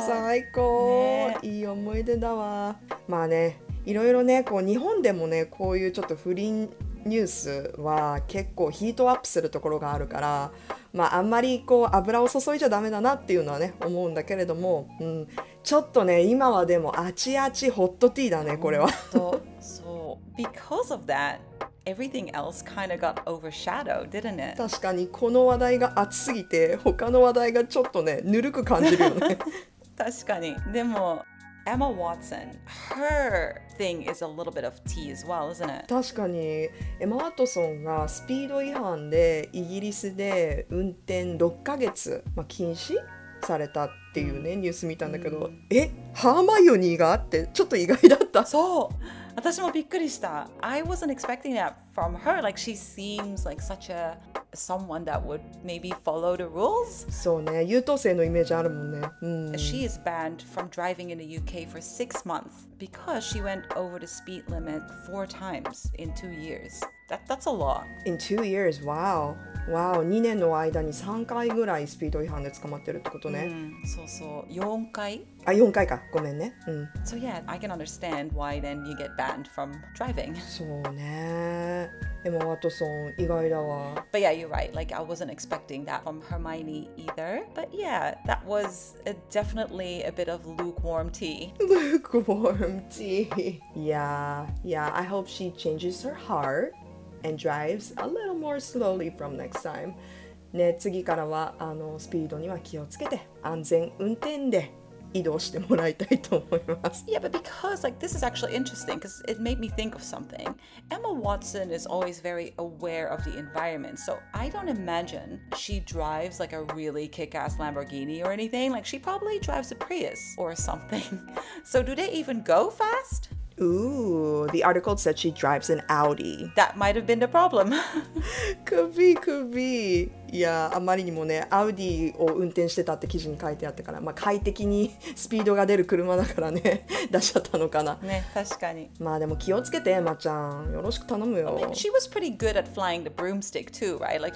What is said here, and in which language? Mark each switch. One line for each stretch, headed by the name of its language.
Japanese: 最高、ね。いい思い出だわ。まあね、いろいろね、こう日本でもね、こういうちょっと不倫ニュースは結構ヒートアップするところがあるから、まああんまりこう油を注いじゃダメだなっていうのはね、思うんだけれども、うん。ちょっとね、今はでもあちあちホットティーだね、これは。そう。
English: Because of that, everything else kind of got overshadowed, didn't it?
Japanese: 確かに、この話題が熱すぎて、他の話題がちょっとね、ぬるく感じるよね。確かに。でも、
English: Emma Watson, her thing is a little bit of tea as well, isn't it?
Japanese: 確かに。 Emma Watson がスピード違反で、イギリスで運転6ヶ月、まあ、禁止されたっていうね、ニュース見たんだけど、うん、ハーマイオニーがあってちょっと意外だった。そう、私もびっくりした。
English: I wasn't expecting that from her. Like she seems like such a someone that would maybe follow the rules.
Japanese: そうね、優等生のイメージあるもんね、うん、
English: She is banned from driving in the UK for 6 months because she went over the speed limit 4 times in 2 years. That's a lot. In 2 years, wow.
Japanese: 2年の間に3回ぐらいスピード違反で捕まってるってことね。うん、そうそう、4回。あ、4回か。ごめんね。うん。
English: So yeah, I can understand why then you get banned from driving.
Japanese: そうね。エマ・ワトソン、意外だわ。
English: But yeah, you're right. Like, I wasn't expecting that from Hermione either. But yeah, that was definitely a bit of lukewarm tea. Lukewarm tea. Yeah. I hope she changes her heart. And drives a little more slowly from next time.
Japanese: ね、次からはあのスピードには気をつけて安全運転で移動してもらいたいと思います。
English: Yeah, but because like this is actually interesting because it made me think of something. Emma Watson is always very aware of the environment, so I don't imagine she drives like a really kick-ass Lamborghini or anything. Like she probably drives a Prius or something. So do they even go fast? Ooh, the article said she drives an Audi. That might have been the problem. could be.
Japanese: Yeah, あまりにもね、Audi を運転してたって記事に書いてあったから、まあ快適にスピードが出る車だからね、出しちゃったのかな。ね、確かに。まあでも気をつけて、エマちゃん。よろしく頼むよ。
English: I mean, she was pretty good at flying the broomstick too, right? Like...